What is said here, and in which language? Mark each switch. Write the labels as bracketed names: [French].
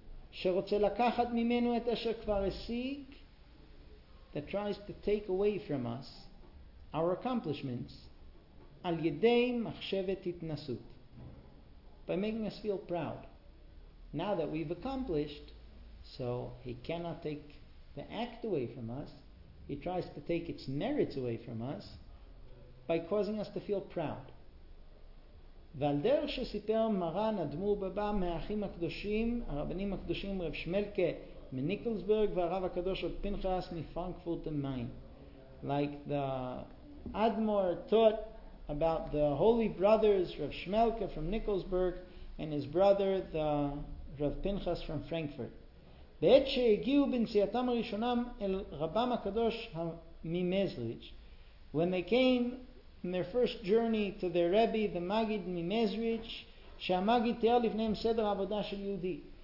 [Hebrew] שרוצה לקחת ממנו את אשר כבר השיג, [English] that tries to take away from us our accomplishments [Hebrew] על ידי מחשבת התנסות, [English] by making us feel proud. Now that we've accomplished, so he cannot take the act away from us, he tries to take its merits away from us by causing us to feel proud. [Hebrew] ועל דרך שסיפר מרן אדמור בבא מהאחים הקדושים, הרבנים הקדושים רב שמלקה מניקולסברג והרב הקדוש עוד פנחס מפרנקפורט המיין. [English] Like the Admor taught about the holy brothers רב שמלקה from Nicholsburg and his brother the רב פנחס from Frankfurt. [Hebrew] בעת שהגיעו בנסיעתם הראשונם אל רבם הקדוש ממזריץ', [English] when they came in their first journey to their Rebbe, the Magid Mimezrich, [Hebrew] Shamagid Te'al Ifneim Seder Avodah Shel Yehudi.